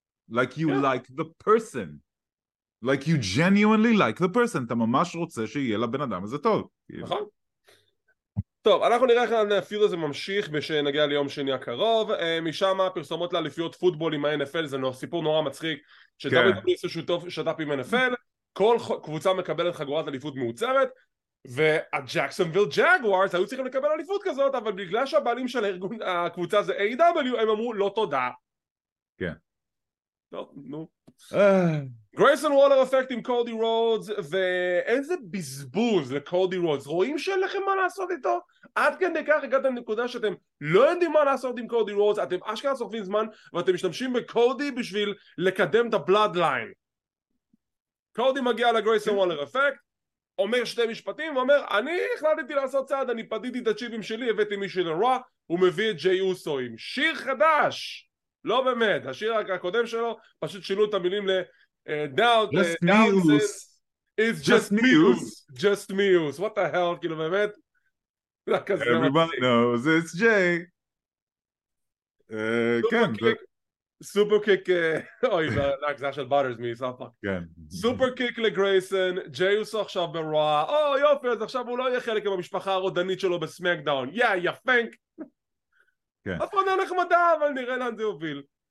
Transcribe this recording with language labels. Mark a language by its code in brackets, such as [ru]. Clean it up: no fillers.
[en] Like you like the person. Like you genuinely like the person. [he] אתה ממש רוצה שיהיה לבן אדם הזה טוב. נכון. טוב, אנחנו נראה איך הפיוד הזה ממשיך כשנגיע ליום שני הקרוב. משם פרסומות לאליפיות פוטבול עם ה-NFL, זה סיפור נורא מצחיק, ש-WWE שותף שת"פ עם NFL, כל קבוצה מקבלת חגורת אליפות מעוצרת, והג'קסונוויל ג'אגוארס היו צריכים לקבל אליפות כזאת, אבל בגלל שהבעלים של הקבוצה זה AW, הם אמרו לא תודה. כן. טוב, נו. גרייסון וולר אפקט עם קודי רודס, ואיזה בזבוז לקודי רודס, רואים שאין לכם מה לעשות איתו? עד כדי כך הגעתם לנקודה שאתם לא יודעים מה לעשות עם קודי רודס, אתם אשכרה סוחבים זמן ואתם משתמשים בקודי בשביל לקדם את הבלאדליין. קודי מגיע לגרייסון וולר אפקט, אומר שתי משפטים ואומר, אני החלטתי לעשות צעד, אני פדיתי את הצ'יפים שלי, הבאתי מישהו לרוע, הוא מביא את ג'יי אוסו עם שיר חדש. לא באמת, השיר הקודם שלו, פשוט שינו את המילים ל... [en] Down, just Mews. It's just Mews. Just Mews. What the hell, [he] כאילו באמת? [en] Everybody knows it's Jay. [he] כן. סופר קיק... אוי, זה היה של בוטרס מי, סופר. כן. סופר קיק לגרייסן, ג'יי אוסו עכשיו ברוע. או, יופי, אז עכשיו הוא לא יהיה חלק עם המשפחה הרודנית שלו בסמקדאון. יא, יא פנק. כן. אף אחד לא נחמדה, אבל נראה לאן זה הוביל.